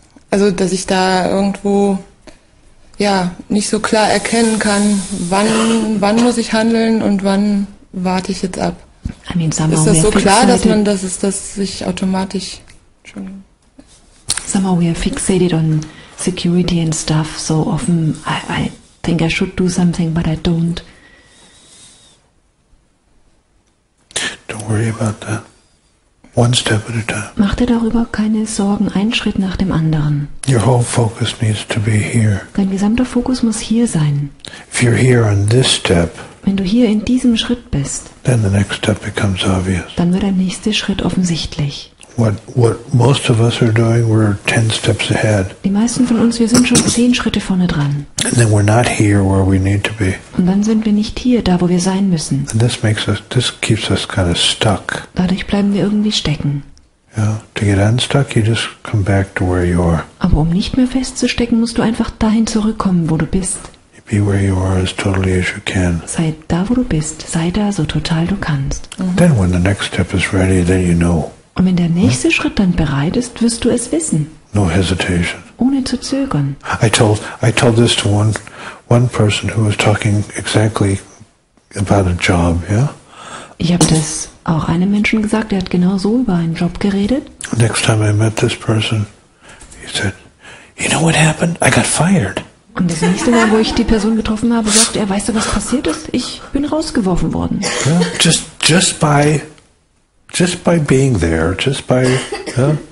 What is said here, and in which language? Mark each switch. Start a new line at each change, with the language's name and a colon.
German: Also, dass ich da irgendwo nicht so klar erkennen kann, wann muss ich handeln und wann warte ich jetzt ab.
English: I mean, somehow
German: ist das so klar, dass man das ist, dass sich automatisch schon...
English: Somehow we are fixated on security and stuff so often. I think I should do something, but I don't. Don't worry about that. One step at a time.
German: Mach dir darüber keine Sorgen, ein Schritt nach dem anderen.
English: Your whole focus needs to be here.
German: Dein gesamter Fokus muss hier sein.
English: If you're here on this step,
German: wenn du hier in diesem Schritt bist,
English: then the next step becomes obvious.
German: Dann wird der nächste Schritt offensichtlich.
English: What most of us are doing, we're 10 steps ahead.
German: Die meisten von uns, wir sind schon 10 Schritte vorne dran.
English: And then we're not here where we need to be.
German: Und dann sind wir nicht hier, da wo wir sein müssen.
English: And this makes us, this keeps us kind of stuck.
German: Dadurch bleiben wir irgendwie stecken.
English: Yeah. To get unstuck, you just come back to where you are.
German: Aber um nicht mehr festzustecken, musst du einfach dahin zurückkommen, wo du bist.
English: Be where you are as totally as you can.
German: Sei da, wo du bist. Sei da so total du kannst. Mhm.
English: Then when the next step is ready, then you know.
German: Und wenn der nächste Schritt dann bereit ist, wirst du es wissen.
English: No hesitation.
German: Ohne zu zögern.
English: I told this to one person who was talking exactly about a job, yeah?
German: Ich habe das auch einem Menschen gesagt, der hat genau so über einen Job geredet.
English: Next time I met this person, he said, you know what happened? I got fired.
German: Und das nächste Mal, wo ich die Person getroffen habe, sagt er, weißt du, was passiert ist? Ich bin rausgeworfen worden.
English: Yeah, just by being there, just by, yeah.